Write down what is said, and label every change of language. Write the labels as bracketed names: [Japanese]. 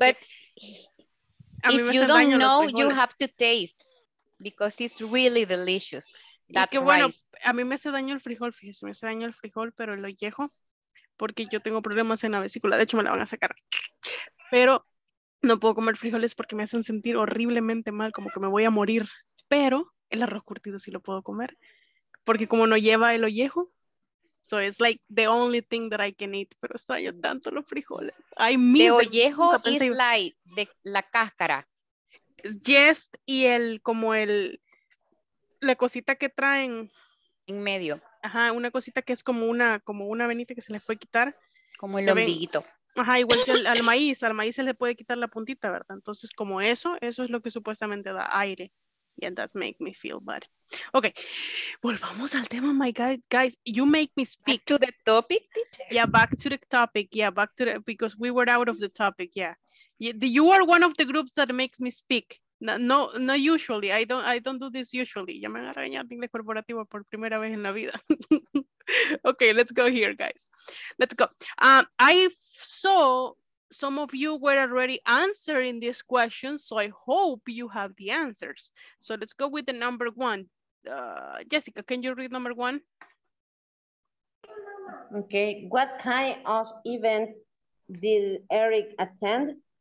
[English] But if you don't know, you have to taste. Because it's really delicious. That [Spanish] que [English] rice. [Spanish] Bueno, a mí me hace daño el frijol, fíjese. Me hace daño el frijol, pero lo llevo. Porque yo tengo problemas en la vesícula. De hecho, me la van a sacar. Pero no puedo comer frijoles porque me hacen sentir horriblemente mal. Como que me voy a morir. Pero el arroz curtido sí lo puedo comer. Porque como no lleva el ollejo. [English] So it's like the only thing that I can eat. [Spanish] Pero extraño tanto los frijoles. [English] I mean, the ollejo is like the, [Spanish] la cáscara. [English] Yes. [Spanish] Y el como el. La cosita que traen. En medio. Ajá. Una cosita que es como una venita que se les puede quitar. Como el ombliguito. Ajá. Igual que al maíz. Al maíz se le puede quitar la puntita, ¿verdad? Entonces como eso es lo que supuestamente da aire. [English] Yeah, that make me feel bad. Okay, [Spanish] volvamos al tema, [English] my guys. You make me speak. Back to the topic, teacher. Yeah, back to the topic. Yeah, back to the, because we were out of the topic. Yeah, you are one of the groups that makes me speak. No, usually. I don't do this usually. [Spanish] Ya me van a regañar de inglés corporativo por primera vez en la vida. [English] Okay, let's go here, guys. Let's go. I saw some of you were already answering this question, so I hope you have the answers. So let's go with the number one. Jessica, can you read number one? Okay, what kind of event did Eric attend?